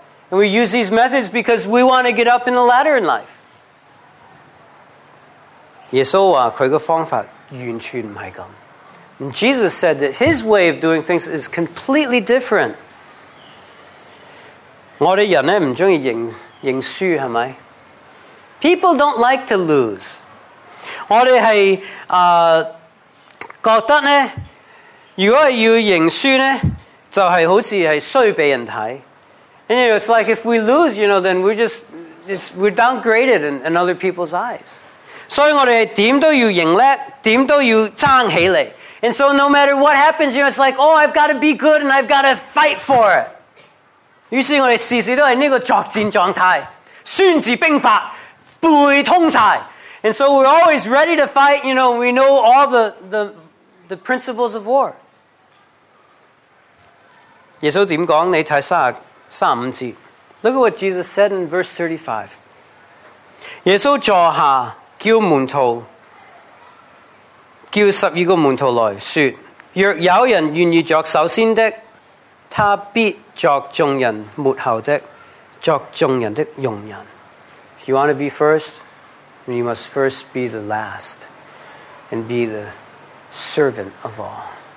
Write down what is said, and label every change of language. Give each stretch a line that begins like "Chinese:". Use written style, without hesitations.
English: And we use these methods because we want to get up in the ladder in life.
Chinese: 耶稣说，他的方法完全不是这样。
English: And Jesus said that his way of doing things is completely different.
Chinese: 我们人呢，不喜欢赢输，是吗？
English: People don't like to lose.
Chinese: 我们是觉得呢，如果要赢输呢，就是好像是衰被人睇。
English: And you know, it's like if we lose, you know, then we're downgraded in other people's eyes.
Chinese: 所以我们怎么都要赢叻，怎么都要争起来。
English: And so no matter what happens, you know, it's like, oh, I've got to be good and I've got to fight for it.
Chinese: 于是我们事事都是这个作战状态。孙子兵法背通晒。
English: And so we're always ready to fight, you know, we know all the principles of war.
Chinese: 耶稣怎么说呢?第三节,
English: look at what Jesus said in verse 35.
Chinese: 耶稣坐下叫门徒来说,若有人愿意作首先的,他必作众人末后的,作众人的佣人。
English: If you want to be first, then you must first be the last and be the servant of all.